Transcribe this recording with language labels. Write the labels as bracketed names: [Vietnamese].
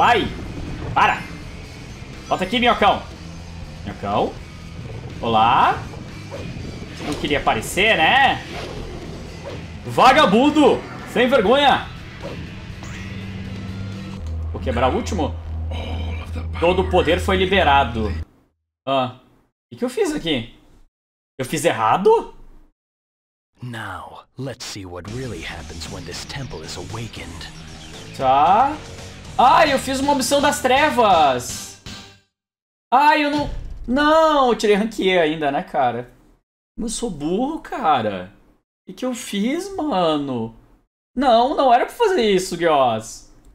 [Portuguese] Ai! Para! Bota aqui, minhocão. Minhocão. Olá. Você não queria aparecer, né? Vagabundo! Sem vergonha! Vou quebrar o último. Todo o poder foi liberado. Ah, o que eu fiz aqui? Eu fiz errado? [English] Now, let's see what really happens when this temple is awakened. [Portuguese] Tá. Ah, eu fiz uma missão das trevas. Ah, eu não. Não, eu tirei rank E ainda, né, cara? Eu sou burro, cara. O que eu fiz, mano? Não, não era pra fazer isso, Gyoz.